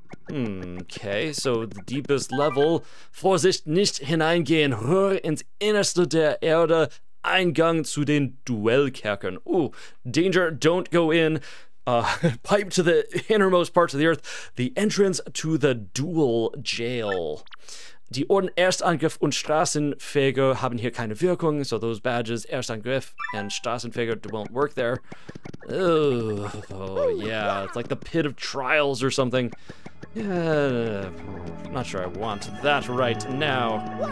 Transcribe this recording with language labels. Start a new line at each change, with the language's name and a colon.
English: Okay, so the deepest level.
German: Vorsicht, nicht hineingehen. Rohr ins Innerste der Erde. Eingang zu den Duellkerkern.
English: Ooh, danger, don't go in. Pipe to the innermost parts of the earth. The entrance to the dual jail.
German: Die Orden Erstangriff und Straßenfeger haben hier keine Wirkung.
English: So those badges, Erstangriff and Straßenfeger, won't work there. Oh, yeah, it's like the pit of trials or something. Yeah, not sure I want that right now.